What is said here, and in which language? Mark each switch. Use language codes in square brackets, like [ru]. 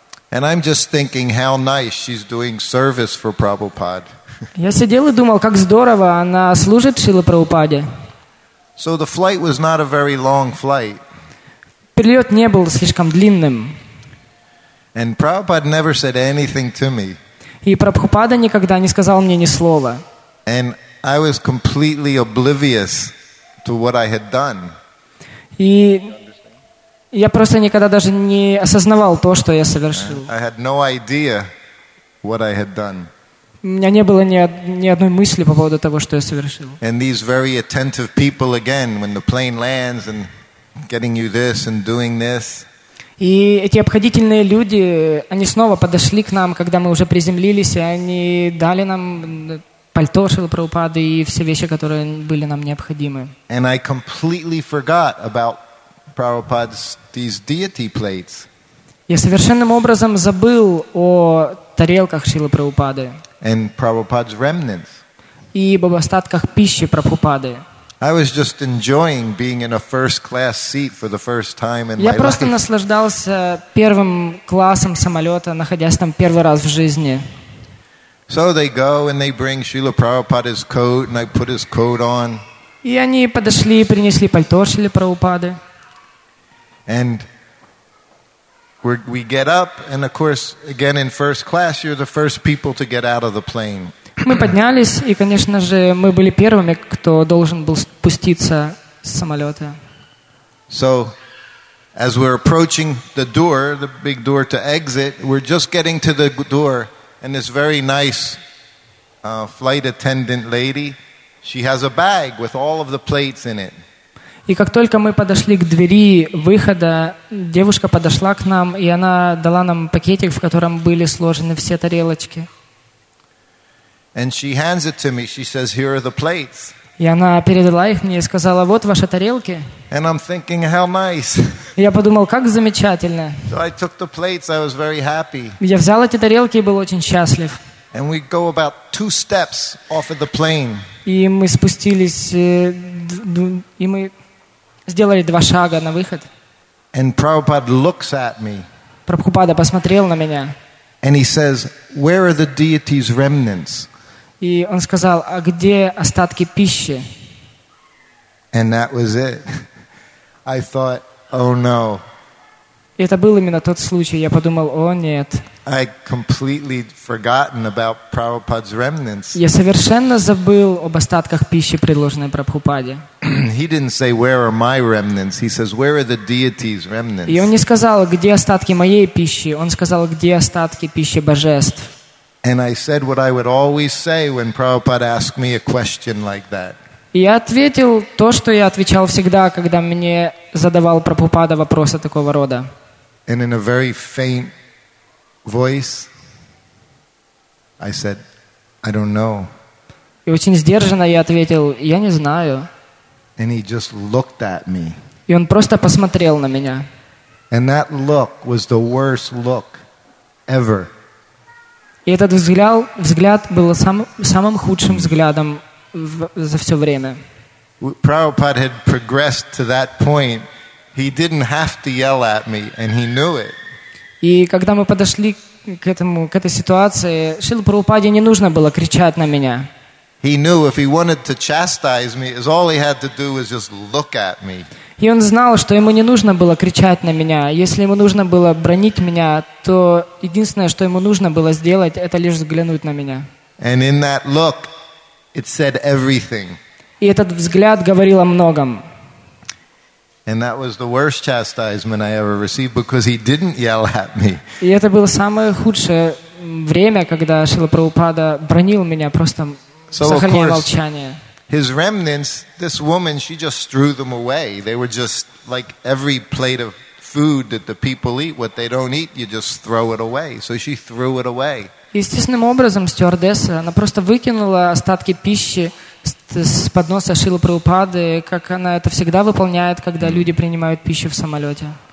[en] And I'm just thinking how nice she's doing service for Prabhupada. [ru] Я сидел и думал, как здорово она служит Шриле Прабхупаде. [en] So the flight was not a very long flight. [ru] Перелет не был слишком длинным. [en] And Prabhupada never said anything to me. [ru] И Прабхупада никогда не сказал мне ни слова. [en] And I was completely oblivious to what I had done. [ru] И я просто никогда даже не осознавал то, что я совершил. [en] I had no idea what I had done. [ru] У меня не было ни одной мысли по поводу того, что я совершил. [en] And these very attentive people again, when the plane lands and getting you this and doing this. [ru] И эти обходительные люди, они снова подошли к нам, когда мы уже приземлились, и они дали нам пальто Шрилы Прабхупады и все вещи, которые были нам необходимы. [en] And I completely forgot about Prabhupada's these deity plates. [ru] Я совершенным образом забыл о тарелках Шрилы Прабхупады. [en] And Prabhupada's remnants. [ru] И об остатках пищи Прабхупады. [en] I was just enjoying being in a first-class seat for the first time in my life. [ru] Я просто наслаждался первым классом самолета, находясь там первый раз в жизни. [en] So they go and they bring Srila Prabhupada's coat, and I put his coat on. [ru] И они подошли и принесли пальто Шрилы Прабхупады. [en] And we get up, and of course, again in first class, you're the first people to get out of the plane. [ru] Мы поднялись, и, конечно же, мы были первыми, кто должен был спуститься с самолета. [en] So As we're approaching the door, the big door to exit, we're just getting to the door, and this very nice flight attendant lady, she has a bag with all of the plates in it. [ru] И как только мы подошли к двери выхода, девушка подошла к нам, и она дала нам пакетик, в котором были сложены все тарелочки. [en] And she hands it to me. She says, "Here are the plates." [ru] И она передала их мне и сказала, вот ваши тарелки. [en] And I'm thinking, how nice. [ru] Я подумал, как замечательно. [en] So I took the plates, I was very happy. [ru] Я взял эти тарелки и был очень счастлив. [en] And we go about two steps off of the plane. [ru] И мы спустились, и мы сделали два шага на выход. [en] And Prabhupada looks at me. [ru] Прабхупада посмотрел на меня. [en] And he says, "Where are the deity's remnants?" [ru] И он сказал, а где остатки пищи? [en] And that was it. I thought, oh no. [ru] Это был именно тот случай. Я подумал, о нет. [en] I completely forgotten about Prabhupada's remnants. [ru] Я совершенно забыл об остатках пищи, предложенной Прабхупаде. [en] He didn't say, where are my remnants? He says, where are the deity's remnants? [ru] И он не сказал, где остатки моей пищи. Он сказал, где остатки пищи божеств. [en] And I said what I would always say when Prabhupada asked me a question like that. [ru] Я ответил то, что я отвечал всегда, когда мне задавал Прабхупада вопросы такого рода. [en] And in a very faint voice, I said, "I don't know." [ru] И очень сдержанно я ответил, "Я не знаю." [en] And he just looked at me. [ru] И он просто посмотрел на меня. [en] And that look was the worst look ever. [ru] И этот взгляд был самым худшим взглядом за все время. [en] Prabhupada had progressed to that point. He didn't have to yell at me, and he knew it. [ru] И когда мы подошли к этой ситуации, Шрила Прабхупаде не нужно было кричать на меня. [en] He knew if he wanted to chastise me, all he had to do was just look at me. [ru] И он знал, что ему не нужно было кричать на меня. Если ему нужно было бронить меня, то единственное, что ему нужно было сделать, это лишь взглянуть на меня. [en] And in that look, it said everything. [ru] И этот взгляд говорил о многом. [en] And that was the worst chastisement I ever received, because he didn't yell at me. [ru] И это было самое худшее время, когда Шрила Прабхупада бронил меня просто сохраняя молчание. [en] His remnants, this woman, she just threw them away. They were just like every plate of food that the people eat. What they don't eat, you just throw it away. So she threw it away. [ru] Естественным образом стюардесса, она просто выкинула остатки пищи с подноса Шрилы Прабхупады, как она это всегда выполняет, когда люди принимают пищу в самолете.